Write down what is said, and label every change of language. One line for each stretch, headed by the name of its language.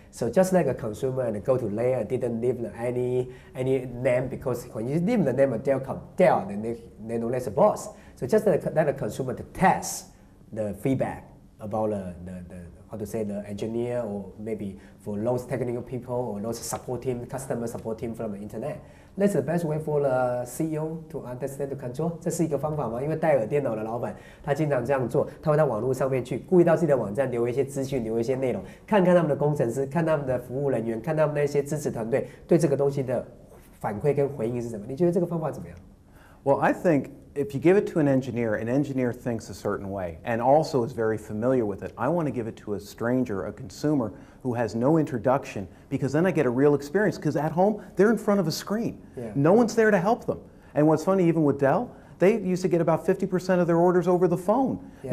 English: So just like a consumer and go to layer, didn't leave any name, because when you leave the name of Dell, then they know that's a boss. So just let a consumer to test the feedback about the engineer, or maybe for those technical people or those customer support team from the internet. That's the best way for the CEO to understand the control.
Chinese: 这是一个方法吗？因为戴尔电脑的老板，他经常这样做，他会到网络上面去，故意到自己的网站留一些资讯，留一些内容，看看他们的工程师，看他们的服务人员，看他们那些支持团队对这个东西的反馈跟回应是什么。你觉得这个方法怎么样？
English: Well, I think if you give it to an engineer thinks a certain way, and also is very familiar with it. I want to give it to a stranger, a consumer, who has no introduction, because then I get a real experience, because at home, they're in front of a screen. Yeah. No one's there to help them. And what's funny, even with Dell, they used to get about 50% of their orders over the phone. Yeah.